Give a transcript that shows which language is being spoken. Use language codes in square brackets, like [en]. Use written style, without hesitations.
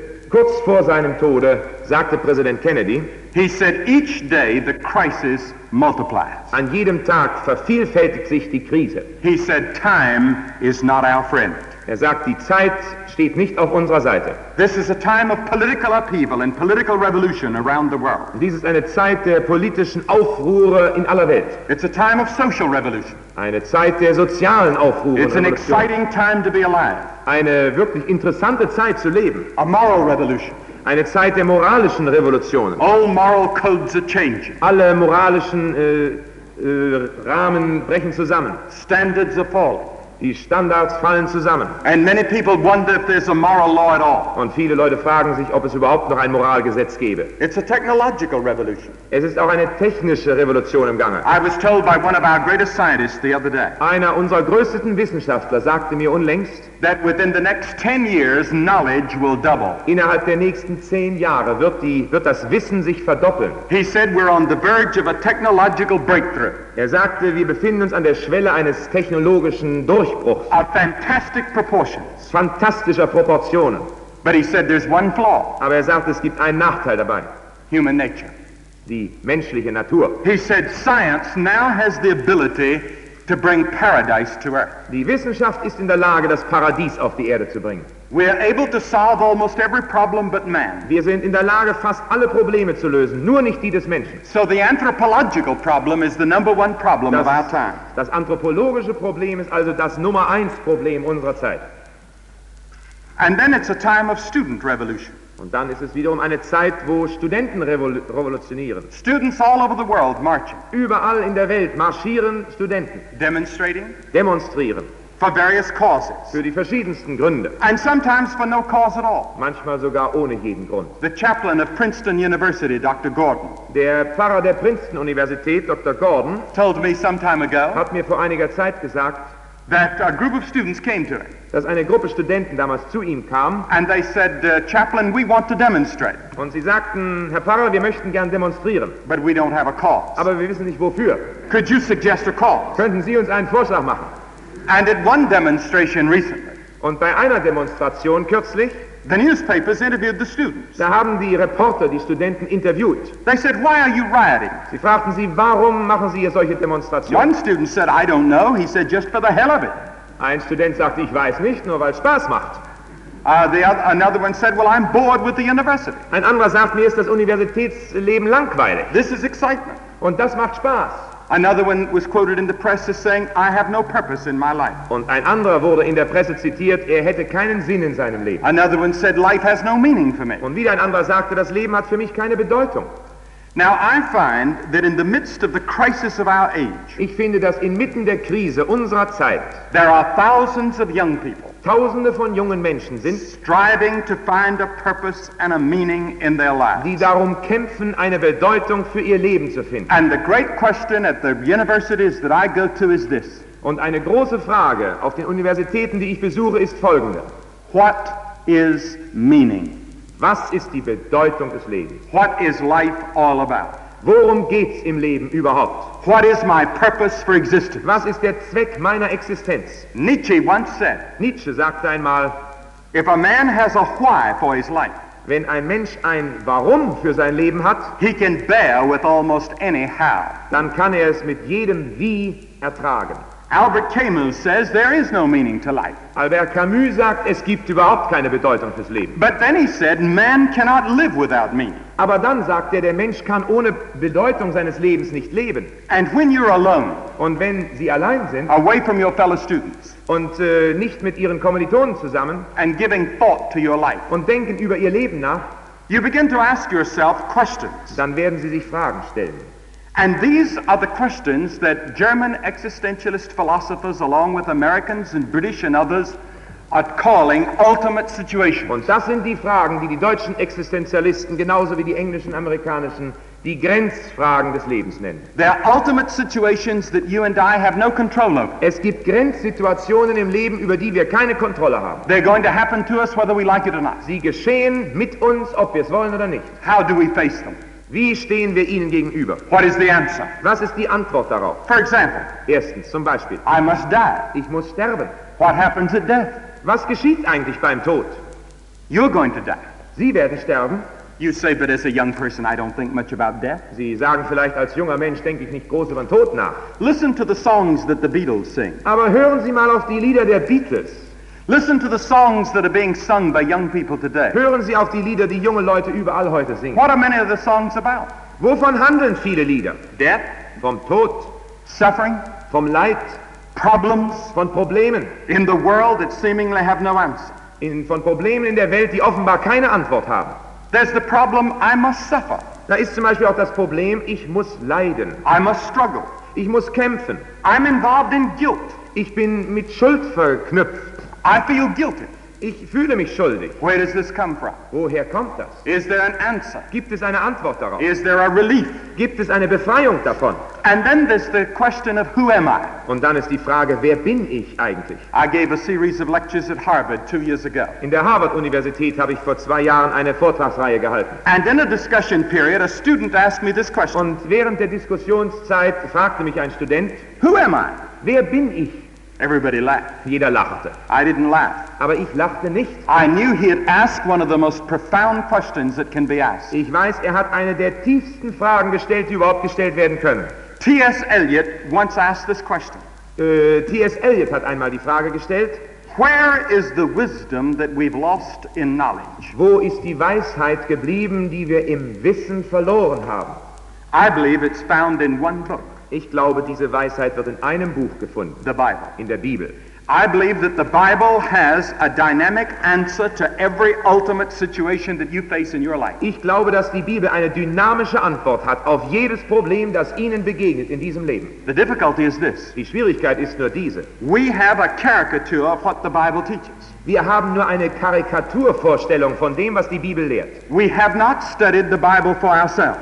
[de] Kurz vor seinem Tode sagte Präsident Kennedy, [en] he said, each day the crisis multiplies. [de] An jedem Tag vervielfältigt sich die Krise. [en] He said, time is not our friend. [de] Er sagt, die Zeit steht nicht auf unserer Seite. [en] This is a time of political upheaval and political revolution around the world. [de] Dies ist eine Zeit der politischen Aufruhre in aller Welt. [en] It's a time of social revolution. [de] Eine Zeit der sozialen Aufruhr. [en] It's an exciting time to be alive. [de] Eine wirklich interessante Zeit zu leben. [en] A moral revolution. [de] Eine Zeit der moralischen Revolution. [en] All moral codes are changing. [de] Alle moralischen Rahmen brechen zusammen. [en] Standards are falling. [de] Die Standards fallen zusammen. [en] And many people wonder if there's a moral law at all. [de] Und viele Leute fragen sich, ob es überhaupt noch ein Moralgesetz gäbe. [en] It's a technological revolution. [de] Es ist auch eine technische Revolution im Gange. [en] I was told by one of our greatest scientists the other day. [de] Einer unserer größten Wissenschaftler sagte mir unlängst, [en] that within the next 10 years knowledge will double. [de] Innerhalb der nächsten 10 Jahre wird das Wissen sich verdoppeln. [en] He said we're on the verge of a technological breakthrough. [de] Er sagte, wir befinden uns an der Schwelle eines technologischen Durchbruchs. [en] A fantastic proportions. [de] Fantastischer Proportionen. [en] But he said there's one flaw. [de] Aber er sagte, es gibt einen Nachteil dabei. [en] Human nature. [de] Die menschliche Natur. [en] He said science now has the ability to bring paradise to earth. [de] Die Wissenschaft ist in der Lage, das Paradies auf die Erde zu bringen. [en] We are able to solve almost every problem but man. [de] Wir sind in der Lage, fast alle Probleme zu lösen, nur nicht die des Menschen. [en] So the anthropological problem is the number one problem of our time. [de] Das anthropologische Problem ist also das Nummer eins Problem unserer Zeit. [en] And then it's a time of student revolution. [de] Und dann ist es wiederum eine Zeit, wo Studenten revolutionieren. [en] Students all over the world marching. [de] Überall in der Welt marschieren Studenten. [en] Demonstrating. [de] Demonstrieren. [en] For various causes. [de] Für die verschiedensten Gründe. [en] And sometimes for no cause at all. [de] Manchmal sogar ohne jeden Grund. [en] The chaplain of Princeton University, Dr. Gordon. [de] Der Pfarrer der Princeton Universität, Dr. Gordon, [en] told me some time ago, [de] hat mir vor einiger Zeit gesagt, [en] that a group of students came to him. [de] Dass eine Gruppe Studenten damals zu ihm kam. [en] And they said, Chaplain, we want to demonstrate. [de] Und sie sagten, Herr Pfarrer, wir möchten gern demonstrieren. [en] But we don't have a cause. [de] Aber wir wissen nicht wofür. [en] Could you suggest a cause? [de] Könnten Sie uns einen Vorschlag machen? [en] And at one demonstration recently. [de] Und bei einer Demonstration kürzlich. [en] The newspapers interviewed the students. [de] Da haben die Reporter die Studenten interviewt. [en] They said, why are you rioting? [de] Sie fragten sie, warum machen Sie hier solche Demonstrationen? [en] One student said, I don't know. He said, just for the hell of it. [de] Ein Student sagte, ich weiß nicht, nur weil es Spaß macht. [en] Another one said, well, I'm bored with the university. [de] Ein anderer sagt, mir ist das Universitätsleben langweilig. [en] This is excitement. [de] Und das macht Spaß. [en] Another one was quoted in the press as saying, I have no purpose in my life. [de] Und ein anderer wurde in der Presse zitiert, er hätte keinen Sinn in seinem Leben. [en] Another one said, life has no meaning for me. [de] Und wieder ein anderer sagte, das Leben hat für mich keine Bedeutung. [en] Now I find that in the midst of the crisis of our age, [de] ich finde, dass inmitten der Krise unserer Zeit, [en] there are thousands of young people, [de] Tausende von jungen Menschen sind, [en] striving to find a purpose and a meaning in their lives, [de] die darum kämpfen, eine Bedeutung für ihr Leben zu finden. [en] And the great question at the universities that I go to is this. [de] Und eine große Frage auf den Universitäten, die ich besuche, ist folgende. [en] What is meaning? [de] Was ist die Bedeutung des Lebens? [en] What is life all about? [de] Worum geht's im Leben überhaupt? [en] What is my purpose for existence? [de] Was ist der Zweck meiner Existenz? [en] Nietzsche once said, [de] Nietzsche sagte einmal, [en] if a man has a why for his life, [de] wenn ein Mensch ein Warum für sein Leben hat, [en] he can bear with almost any how. [de] Dann kann er es mit jedem Wie ertragen. [en] Albert Camus says there is no meaning to life. [de] Albert Camus sagt, es gibt überhaupt keine Bedeutung fürs Leben. [en] But then he said, man cannot live without meaning. [de] Aber dann sagt er, der Mensch kann ohne Bedeutung seines Lebens nicht leben. [en] And when you're alone, [de] und wenn Sie allein sind, [en] away from your fellow students, [de] und nicht mit Ihren Kommilitonen zusammen, [en] and giving thought to your life, [de] und denken über Ihr Leben nach, [en] you begin to ask yourself questions. [de] Dann werden Sie sich Fragen stellen. [en] And these are the questions that German existentialist philosophers, along with Americans and British and others, are calling ultimate situations. [de] Und das sind die Fragen, die die deutschen Existenzialisten genauso wie die englischen, amerikanischen die Grenzfragen des Lebens nennen. [en] There are ultimate situations that you and I have no control over. [de] Es gibt Grenzsituationen im Leben, über die wir keine Kontrolle haben. [en] They're going to happen to us whether we like it or not. [de] Sie geschehen mit uns, ob wir es wollen oder nicht. [en] How do we face them? [de] Wie stehen wir ihnen gegenüber? [en] What is the answer? [de] Was ist die Antwort darauf? [en] For example. [de] Erstens, zum Beispiel. [en] I must die. [de] Ich muss sterben. [en] What happens at death? [de] Was geschieht eigentlich beim Tod? [en] You're going to die. [de] Sie werden sterben. [en] You say, but as a young person, I don't think much about death. [de] Sie sagen vielleicht, als junger Mensch denke ich nicht groß über den Tod nach. [en] Listen to the songs that the Beatles sing. [de] Aber hören Sie mal auf die Lieder der Beatles. [en] Listen to the songs that are being sung by young people today. [de] Hören Sie auf die Lieder, die junge Leute überall heute singen. [en] What are many of the songs about? [de] Wovon handeln viele Lieder? [en] Death. [de] Vom Tod. [en] Suffering. [de] Vom Leid. [en] Problems. [de] Von Problemen. [en] In the world that seemingly have no answer. [de] Von Problemen in der Welt, die offenbar keine Antwort haben. [en] There's the problem, I must suffer. [de] Da ist zum Beispiel auch das Problem, ich muss leiden. [en] I must struggle. [de] Ich muss kämpfen. [en] I'm involved in guilt. [de] Ich bin mit Schuld verknüpft. [en] I feel guilty. [de] Ich fühle mich schuldig. [en] Where does this come from? [de] Woher kommt das? [en] Is there an answer? [de] Gibt es eine Antwort darauf? [en] Is there a relief? [de] Gibt es eine Befreiung davon? [en] And then there's the question of who am I? [de] Und dann ist die Frage, wer bin ich eigentlich? [en] I gave a series of lectures at Harvard 2 years ago. [de] In der Harvard-Universität habe ich vor 2 Jahren eine Vortragsreihe gehalten. [en] And in a discussion period, a student asked me this question. [de] Und während der Diskussionszeit fragte mich ein Student, [en] who am I? [de] Wer bin ich? [en] Everybody laughed. [de] Jeder lachte. [en] I didn't laugh. [de] Aber ich lachte nicht. [en] I knew he had asked one of the most profound questions that can be asked. [de] Ich weiß, hat eine der tiefsten Fragen gestellt, die überhaupt gestellt werden können. [en] T.S. Eliot once asked this question. [de] T.S. Eliot hat einmal die Frage gestellt. [en] Where is the wisdom that we've lost in knowledge? [de] Wo ist die Weisheit geblieben, die wir im Wissen verloren haben? [en] I believe it's found in one book. [de] Ich glaube, diese Weisheit wird in einem Buch gefunden, [en] the Bible. [de] In der Bibel. [en] I believe that the Bible has a dynamic answer to every ultimate situation that you face in your life. [de] Ich glaube, dass die Bibel eine dynamische Antwort hat auf jedes Problem, das Ihnen begegnet in diesem Leben. [en] The difficulty is this. [de] Die Schwierigkeit ist nur diese. [en] We have a caricature of what the Bible teaches. [de] Wir haben nur eine Karikaturvorstellung von dem, was die Bibel lehrt. [en] We have not studied the Bible for ourselves.